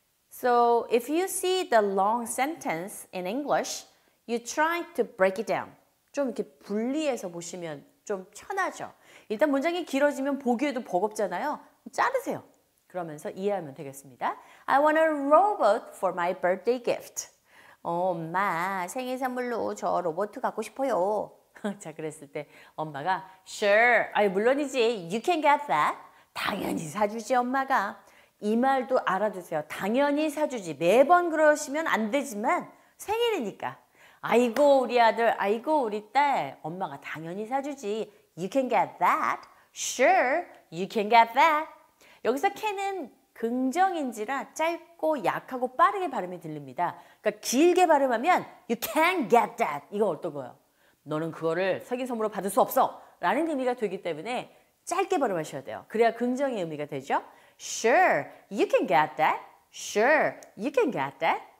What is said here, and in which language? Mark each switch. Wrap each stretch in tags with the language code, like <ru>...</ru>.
<en>So if you see the long sentence in English, you try to break it down.</en> <ko>좀 이렇게 분리해서 보시면 좀 편하죠. 일단 문장이 길어지면 보기에도 버겁잖아요. 자르세요. 그러면서 이해하면 되겠습니다.</ko> <en>I want a robot for my birthday gift.</en> <ko>엄마, 생일 선물로 저 로봇 갖고 싶어요. 자, 그랬을 때 엄마가 Sure, 아니, 물론이지.</ko> <en>You can get that.</en> <ko>당연히 사주지, 엄마가. 이 말도 알아두세요. 당연히 사주지. 매번 그러시면 안 되지만 생일이니까. 아이고, 우리 아들. 아이고, 우리 딸. 엄마가 당연히 사주지.</ko> <en>You can get that. Sure, you can get that.</en> <ko>여기서 can은 긍정인지라 짧고 약하고 빠르게 발음이 들립니다. 그러니까 길게 발음하면</ko> <en>you can't get that</en> <ko>이거 어떤 거예요? 너는 그거를 사기선물로 받을 수 없어 라는 의미가 되기 때문에 짧게 발음하셔야 돼요. 그래야 긍정의 의미가 되죠.</ko> <en>Sure, you can get that. Sure, you can get that.</en>